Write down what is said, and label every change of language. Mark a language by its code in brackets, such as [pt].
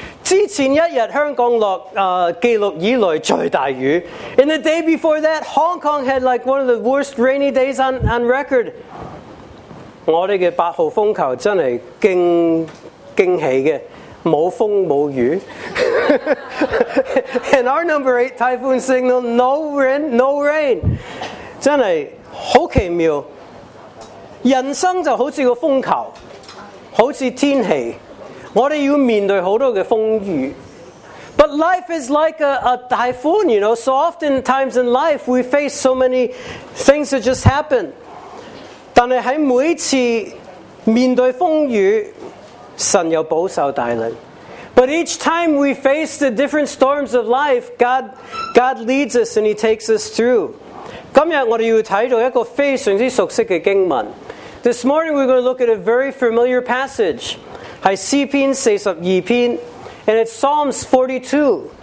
[yue] 之前一日香港落記錄以來最大雨。 [en] And the day before that, Hong Kong had like one of the worst rainy days on record。 [yue] 我哋嘅八號風球真係驚喜嘅，冇風冇雨。 [en] And our number eight typhoon signal, no wind, no rain。 [yue] 真係好奇妙。人生就好似个风球，好似天气，我哋要面对好多嘅风雨。 [en] But life is like a typhoon, you know. So often times in life, we face so many things that just happen. [yue] 但系喺每次面对风雨，神又保守带领。 [en] But each time we face the different storms of life, God leads us and He takes us through. [yue] 今日我哋要睇到一个非常之熟悉嘅经文。 [en] This morning we're going to look at a very familiar passage. [yue] 是詩篇42篇 [en] and it's Psalms 42.